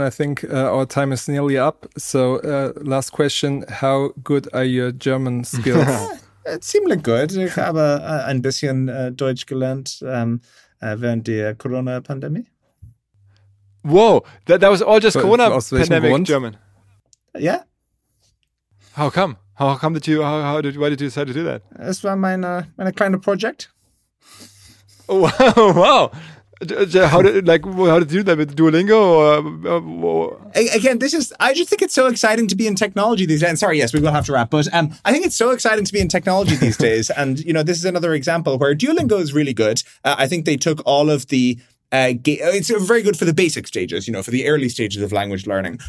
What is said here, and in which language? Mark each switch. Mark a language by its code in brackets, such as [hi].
[en] I think our time is nearly up. So last question: how good are your German skills? It seemed like good. [de] Ich habe ein bisschen Deutsch gelernt während der Corona-Pandemie. [en] Whoa, that was all just Corona-Pandemic German. Yeah. How come? Why did you decide to do that? [de] Es war meine kleine Project. [en] Wow. How did you do that with Duolingo? I just think it's so exciting to be in technology these days. And sorry, yes, we will have to wrap. But I think it's so exciting to be in technology these days. And, you know, this is another example where Duolingo is really good. I think they took all of the it's very good for the basic stages, you know, for the early stages of language learning.